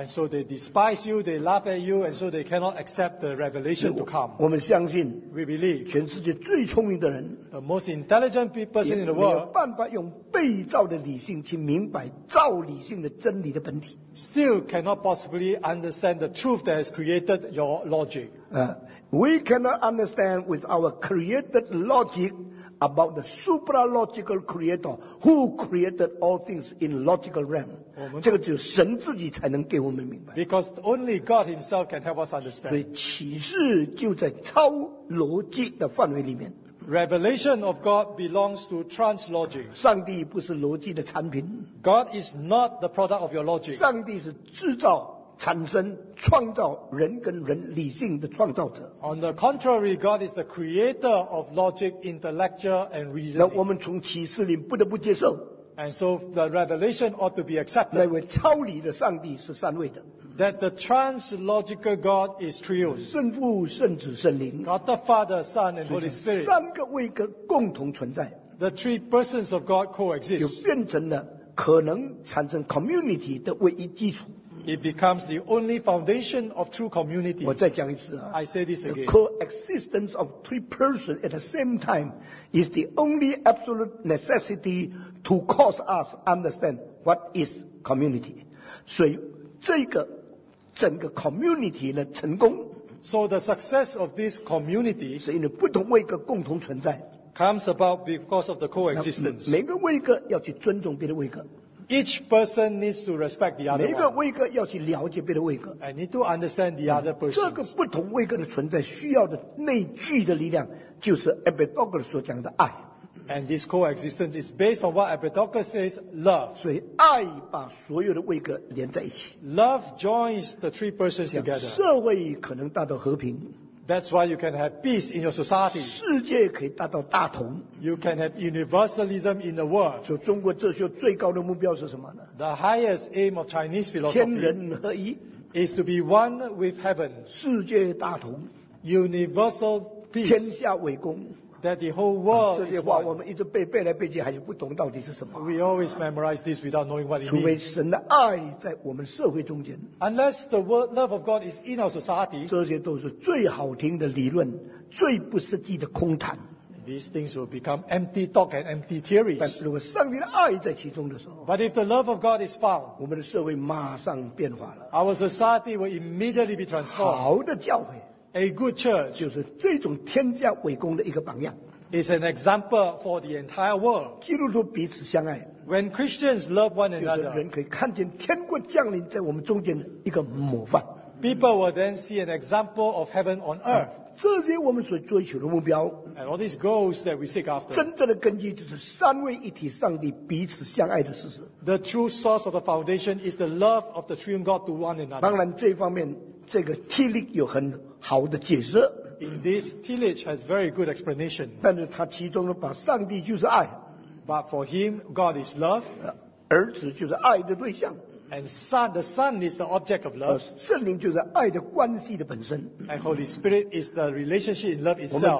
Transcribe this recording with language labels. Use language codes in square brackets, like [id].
[en] And so they despise you, they laugh at you, and so they cannot accept the revelation to come. [zh] 我们相信 [en] ，we believe [zh] 全世界最聪明的人 [en] ，the most intelligent person in the world， [zh] 也没有办法用被造的理性去明白造理性的真理的本体。 [en] Still cannot possibly understand the truth that has created your logic. We cannot understand with our created logic about the supra-logical creator who created all things in logical realm. [zh] 这个只有神自己才能给我们明白。 [en] Because only God himself can help us understand. [zh] 所以启示就在超逻辑的范围里面。 [en] Revelation of God belongs to translogic. [zh] 上帝不是逻辑的产品。 [en] God is not the product of your logic. [zh] 上帝是制造、产生、创造人跟人理性的创造者。 [en] On the contrary, God is the creator of logic, intellectual, and reasoning. [zh] 那我们从启示里不得不接受。 [en] And so the revelation ought to be accepted. [zh] 那位超理的上帝是三位的。 [en] That the translogical God is trio. [zh] 圣父、圣子、圣灵。 [en] God the Father, Son, and Holy Spirit. [zh] 三个位格共同存在。 [en] The three persons of God coexist. [zh] 就变成了可能产生community的唯一基础。 [en] It becomes the only foundation of true community. [zh] 我再讲一次啊, [en] I say this again. The coexistence of three persons at the same time is the only absolute necessity to cause us understand what is community. [zh] 所以这个整个 community 的成功, [en] so the success of this community [zh] 是因为不同位格共同存在, [en] comes about because of the coexistence. [zh] 每个位格要去尊重别的位格。 [en] Each person needs to respect the other one. [zh] 每一个位格要去了解别的位格。 [en] I need to understand the other person. [zh] 这个不同位格的存在需要的内聚的力量就是 Epictetus 所讲的爱。 [en] And this coexistence is based on what Epictetus says, love. [zh] 所以爱把所有的位格连在一起。 [en] Love joins the three persons together. [zh] 社会可能达到和平。 [en] That's why you can have peace in your society. [zh] 世界可以达到大同。 [en] You can have universalism in the world. [zh] 就中国哲学最高的目标是什么呢？ [en] The highest aim of Chinese philosophy [zh] 天人合一, [en] is to be one with heaven. [zh] 世界大同。 [en] Universal peace. [zh] 天下为公。 [en] That the whole world [zh] 这些话我们一直背来背去还是不懂到底是什么。 [en] We always memorize this without knowing what it means. [zh] 除非神的爱在我们社会中间。 [en] Unless the love of God is in our society. [zh] 这些都是最好听的理论，最不实际的空谈。 [en] These things will become empty talk and empty theories. [zh] 但如果上帝的爱在其中的时候, [en] but if the love of God is found, [zh] 我们的社会马上变化了。 [en] Our society will immediately be transformed. [zh] 好的教会, [en] a good church [zh] 就是这种天下为公的一个榜样。 [en] It's an example for the entire world. [zh] 基督徒彼此相爱。 [en] When Christians love one another, [zh] 就是人可以看见天国降临在我们中间的一个模范。 [en] People will then see an example of heaven on earth. [zh] 这些我们所追求的目标, [en] and all these goals that we seek after, [zh] 真正的根基就是三位一体上帝彼此相爱的事实。 [en] The true source of the foundation is the love of the triune God to one another. [zh] 当然这方面, 这个T-Lick有很好的解释。 [en] In this, T-Lick has very good explanation. [zh] 但是他其中把上帝就是爱, [en] but for him, God is love. [zh] 儿子就是爱的对象。 [en] And son, the Son is the object of love. [zh] 圣灵就是爱的关系的本身。 [en] And Holy Spirit is the relationship in love itself.